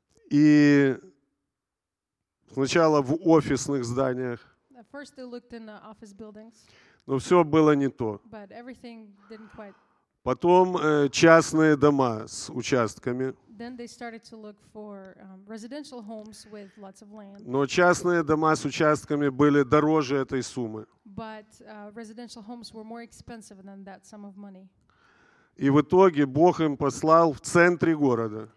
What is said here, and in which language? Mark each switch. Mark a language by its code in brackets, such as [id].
[ru] И сначала в офисных зданиях. [en] At first they looked in the office buildings. [ru] Но все было не то. [en] But everything didn't quite. [ru] Потом частные дома с участками. [en] Then they started to look for residential homes with lots of land. [ru] Но частные дома с участками были дороже этой суммы. [en] But residential homes were more expensive than that sum of money. [ru] И в итоге Бог им послал в центре города.